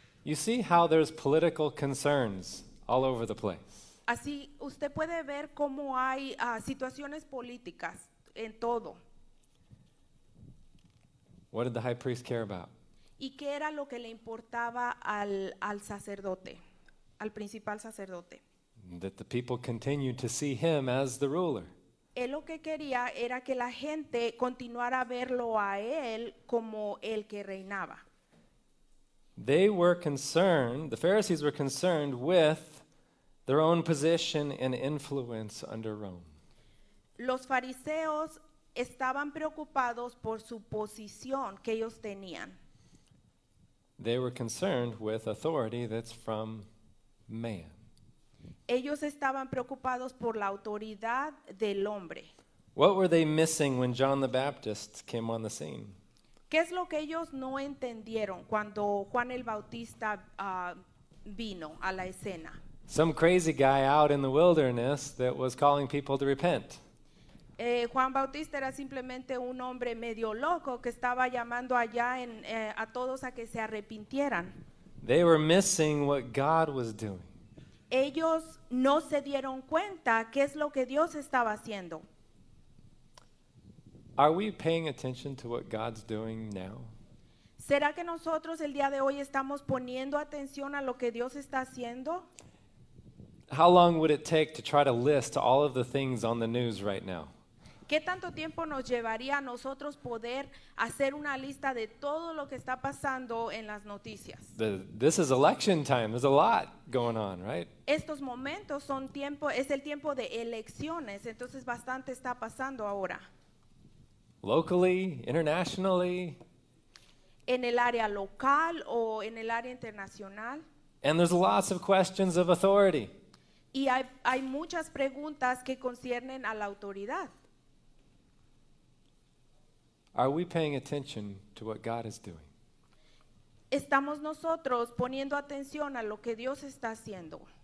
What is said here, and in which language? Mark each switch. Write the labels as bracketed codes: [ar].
[en] You see how there's political concerns all over the place. [es] Así usted puede ver cómo hay situaciones políticas en todo. [en] What did the high priest care about? [es] ¿Y qué era lo que le importaba al sacerdote, al principal sacerdote? [en] That the people continued to see him as the ruler. [es] Él lo que quería era que la gente continuara a verlo a él como el que reinaba. [en] They were concerned, the Pharisees were concerned with their own position and influence under Rome. [es] Los fariseos estaban preocupados por su posición que ellos tenían. [en] They were concerned with authority that's from man. [es] Ellos estaban preocupados por la autoridad del hombre. [en] What were they missing when John the Baptist came on the scene? [es] ¿Qué es lo que ellos no entendieron cuando Juan el Bautista vino a la escena? [en] Some crazy guy out in the wilderness that was calling people to repent. [es] Juan Bautista era simplemente un hombre medio loco que estaba llamando allá a todos a que se arrepintieran. [en] They were missing what God was doing. [es] Ellos no se dieron cuenta qué es lo que Dios estaba haciendo. [en] Are we paying attention to what God's doing now? [es] ¿Será que nosotros el día de hoy estamos poniendo atención a lo que Dios está haciendo? [en] How long would it take to try to list all of the things on the news right now? [es] ¿Qué tanto tiempo nos llevaría a nosotros poder hacer una lista de todo lo que está pasando en las noticias? [en] This is election time. There's a lot going on, right? [es] Estos momentos son tiempo, es el tiempo de elecciones, entonces bastante está pasando ahora. [en] locally, internationally. [es] En el área local o en el área internacional. [en] And there's lots of questions of authority. [es] Y hay muchas preguntas que conciernen a la autoridad. [en] Are we paying attention to what God is doing? [es] ¿Estamos nosotros poniendo atención a lo que Dios está haciendo?